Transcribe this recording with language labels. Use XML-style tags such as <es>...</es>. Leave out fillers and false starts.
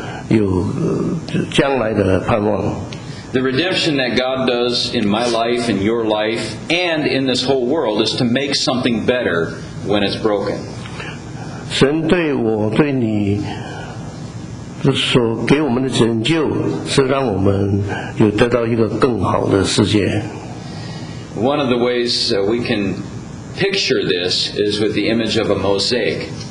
<zh>这个不代表就是说你破碎的要把它重新做回，而是有将来的盼望。</zh> <en>The redemption that God does in my life, in your life, and in this whole world is to make something better when it's broken.</en> <zh>神对我对你所给我们的拯救是让我们有得到一个更好的世界。</zh> <en>One of the ways we can picture this is with the image of a mosaic.</en>